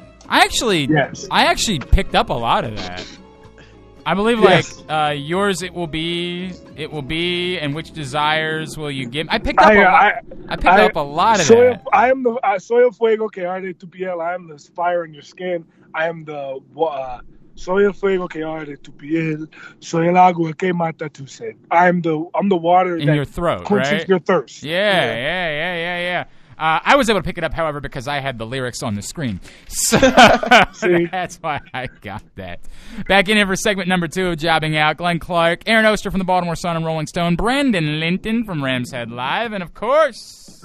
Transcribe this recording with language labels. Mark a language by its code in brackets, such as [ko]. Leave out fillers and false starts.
[en] I actually picked up a lot of that. I believe, like, yes. Yours it will be, and which desires will you give? I picked up a lot of that. I am the [es] soy el fuego que arde tu piel. [en] I am the fire in your skin. I am the [es] soy el fuego que arde tu piel. Soy el agua que mata tu sed. [en] I'm the water in your throat, quenches right? Your thirst. Yeah. I was able to pick it up, however, because I had the lyrics on the screen. So that's why I got that. Back in here for segment number two of Jobbing Out, Glenn Clark, Aaron Oster from the Baltimore Sun and Rolling Stone, Brandon Linton from Ramshead Live, and of course...